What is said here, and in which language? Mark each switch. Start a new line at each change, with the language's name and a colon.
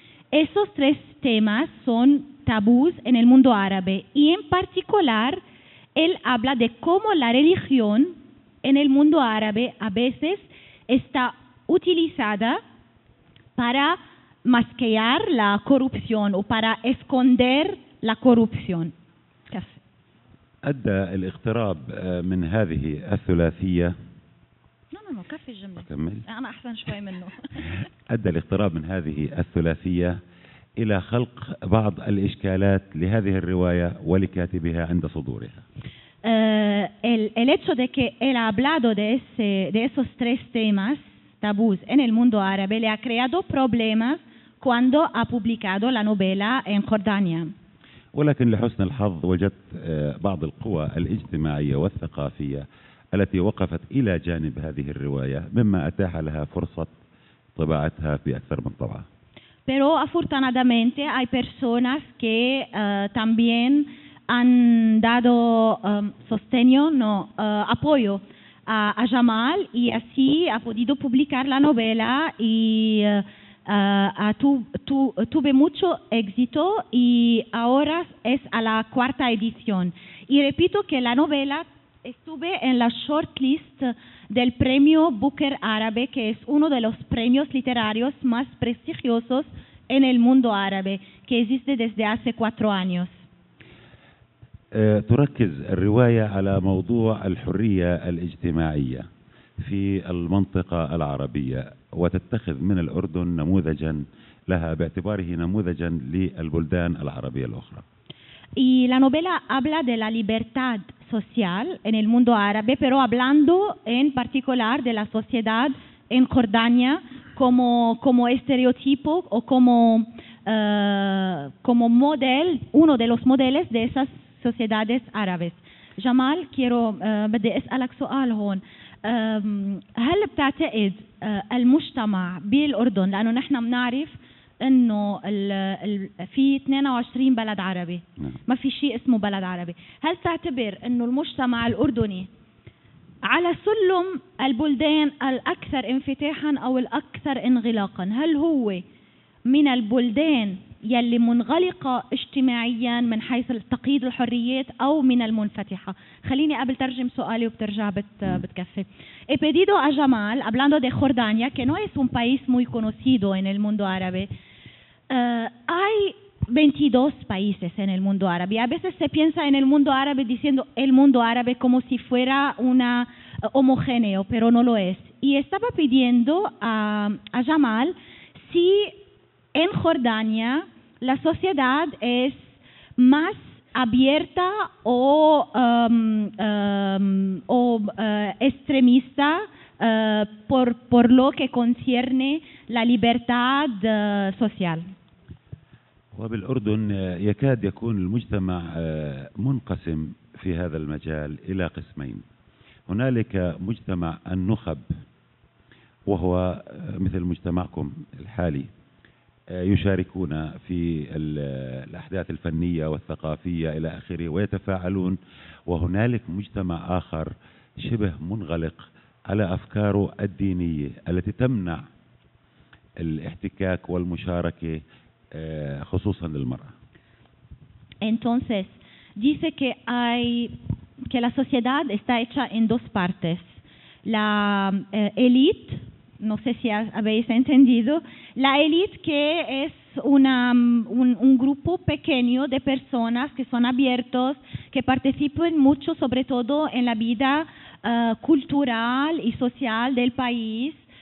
Spanish: Esos tres temas son tabús en el mundo árabe, y en particular él habla de cómo la religión en el mundo árabe a veces está utilizada para masquear la corrupción o para esconder la corrupción.
Arabic: أدى الاقتراب من هذه الثلاثية كفي الجملة أكمل. أنا أحسن شوي منه. أدى الاقتراب من هذه الثلاثية إلى خلق بعض الإشكالات لهذه الرواية ولكاتبها عند صدورها.
Spanish: El hecho de que él ha hablado de esos tres temas tabús en el mundo árabe le ha creado problemas cuando ha publicado la novela en Jordania.
Arabic: ولكن لحسن الحظ وجدت بعض القوى الاجتماعية والثقافية التي وقفت إلى جانب هذه الرواية مما أتاح لها فرصة طباعتها في أكثر من طبعة.
Spanish: Pero afortunadamente hay personas que también han dado sostegno, no apoyo a Jamal, y así ha podido publicar la novela y tuve mucho éxito, y ahora es a la cuarta edición. Y repito que la novela estuve en la shortlist del premio Booker Árabe, que es uno de los premios literarios más prestigiosos en el mundo árabe, que existe desde hace 4 años.
Arabic: تركز الرواية على موضوع الحرية الاجتماعية في المنطقة العربية، وتتخذ من الأردن نموذجا لها باعتباره نموذجا للبلدان العربية الأخرى.
Spanish: Y la novela habla de la libertad social en el mundo árabe, pero hablando en particular de la sociedad en Jordania como estereotipo o como model, uno de los modelos de esas sociedades árabes. Jamal, quiero
Arabic: بدي أسألك سؤال هون. هل بتعتقد المجتمع بالأردن، لأنه نحن بنعرف أنه في 22 بلد عربي، ما في شيء اسمه بلد عربي، هل تعتبر أنه المجتمع الأردني على سلم البلدان الأكثر انفتاحا أو الأكثر انغلاقا، هل هو من البلدان يلي منغلقة اجتماعيا من حيث تقييد الحريات أو من المنفتحة؟ خليني قبل ترجم سؤالي وبترجع بتكفي.
Spanish: He pedido a Jamal, hablando de Jordania, que no es un país muy conocido en el mundo árabe. Hay 22 países en el mundo árabe. A veces se piensa en el mundo árabe diciendo el mundo árabe como si fuera una homogéneo, pero no lo es. Y estaba pidiendo a Jamal si en Jordania la sociedad es más abierta o extremista por lo que concierne la libertad social.
Arabic: وبالأردن يكاد يكون المجتمع منقسم في هذا المجال إلى قسمين. هنالك مجتمع النخب، وهو مثل مجتمعكم الحالي، يشاركون في الأحداث الفنية والثقافية إلى آخره ويتفاعلون، وهنالك مجتمع آخر شبه منغلق على أفكاره الدينية التي تمنع الاحتكاك والمشاركة خصوصا للمرأة.
Spanish: Entonces dice que hay que la sociedad está hecha en dos partes. La élite, no sé si habéis entendido, la élite que es un grupo pequeño de personas que son abiertos, que participan mucho sobre todo en la vida cultural y social del país.